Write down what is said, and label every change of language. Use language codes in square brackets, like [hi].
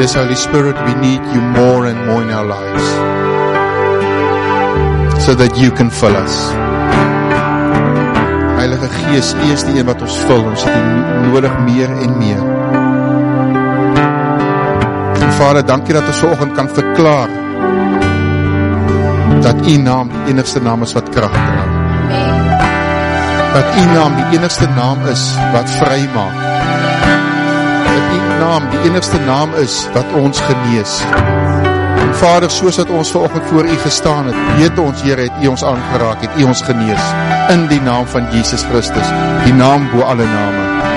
[en] Yes, Holy Spirit, we need you more and more in our lives, so that you can fill us. [af] Heilige Gees, U is die een wat ons vul, ons het nodig meer en meer. En Vader, dankie dat ons vanoggend kan verklaar dat U naam die enigste naam is wat krag dra. Dat U naam die enigste naam is wat vry maak. Dat U naam die enigste naam is wat ons genees. En Vader, soos dat ons vanoggend voor U gestaan het, weet ons, Here, het U ons aangeraak, het U ons genees. In die naam van Jesus Christus, die naam bo alle name.